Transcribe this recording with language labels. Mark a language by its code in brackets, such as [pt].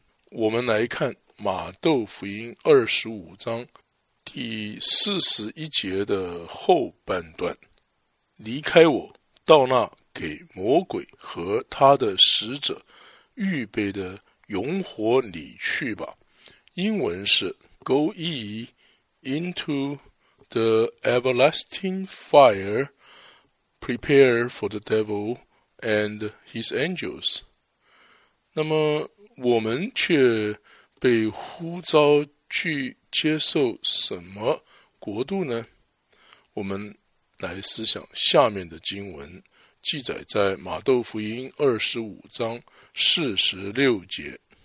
[zh] 我们来看马窦福音25章第41节的后半段。离开我，到那给魔鬼和他的使者预备的永火里去吧。英文是 [en] Go ye into the everlasting fire prepared for the devil and his angels. [zh] 那么我们却被呼召去接受什么国度呢？我们来思想下面的经文，记载在马窦福音25章46节。